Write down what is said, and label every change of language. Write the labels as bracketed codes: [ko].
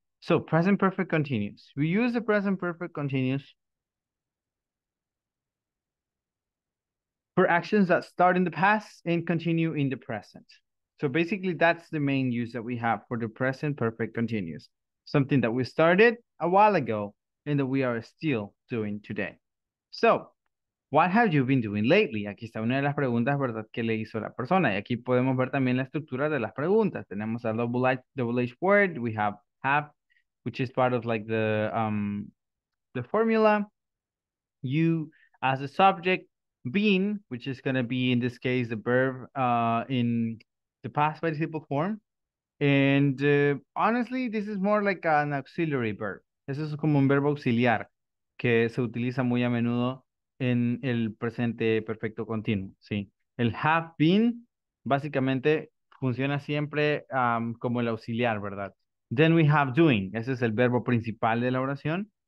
[en] So present perfect continuous. We use the present perfect continuous for actions that start in the past and continue in the present. So basically that's the main use that we have for the present perfect continuous. Something that we started a while ago and that we are still doing today. So, what have you been doing lately? [es] Aquí está una de las preguntas, ¿verdad?, que le hizo la persona. Y aquí podemos ver también la estructura de las preguntas. Tenemos [en] a double-edged word. We have, which is part of like the formula. You as a subject, been, which is going to be in this case the verb in the past participle form. And honestly, this is more like an auxiliary verb. [es] Eso es como un verbo auxiliar que se utiliza muy a menudo en el presente perfecto continuo, ¿sí? El have been básicamente funciona siempre como el auxiliar, ¿verdad? [en] Then we have doing. [es] Ese es el verbo principal de la oración.